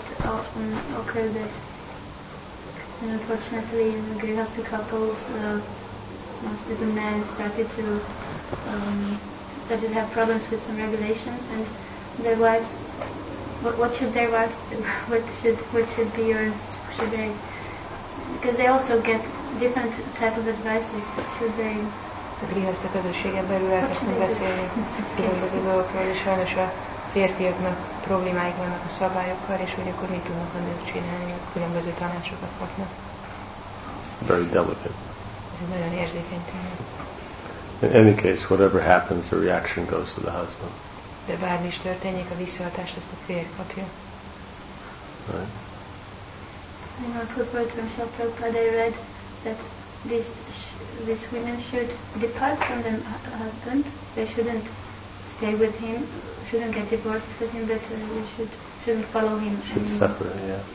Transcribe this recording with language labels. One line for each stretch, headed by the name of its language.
English: It often occurred that unfortunately, in the grihastha couples, most of the men started to have problems with some regulations, and their wives. What should their wives do? What should be yours? Should they? Because they also get different type of advices. Should they?
Hungarian: A grihastha közösségen belül elkezdtünk beszélni különböző dolgokról, és sajnos a férfiaknak problémáik vannak a szabályokkal, és hogy akkor mit tudnak a nők csinálni, a különböző tanácsokat kapnak.
English: Very delicate.
Hungarian: Ez egy nagyon érzékeny téma.
English: In any case, whatever happens, the reaction goes to the husband.
Hungarian: De bármi is történik, a visszahatást ezt a férj kapja.
English: Right. In my purport from Shaprabhupada, I read that this women should depart from their husband. They shouldn't stay with him, shouldn't get divorced with him, but shouldn't follow him. Should separate, yeah.